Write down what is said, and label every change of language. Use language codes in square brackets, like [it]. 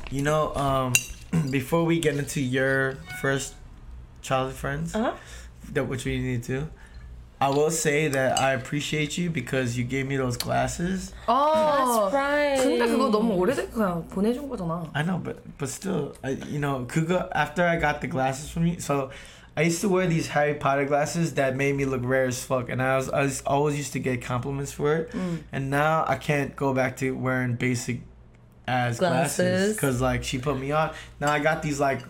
[en] You know, before we get into your first childhood friends, which we need to, I will say that I appreciate you because you gave me those glasses. Oh, that's right. [ko] 근데 그거 너무 오래됐고 보내준 거잖아. [en] I know, but still, after I got the glasses from you, so. I used to wear these Harry Potter glasses that made me look rare as fuck, and I always used to get compliments for it. Mm. And now I can't go back to wearing basic ass glasses because like she put me on. Now I got these like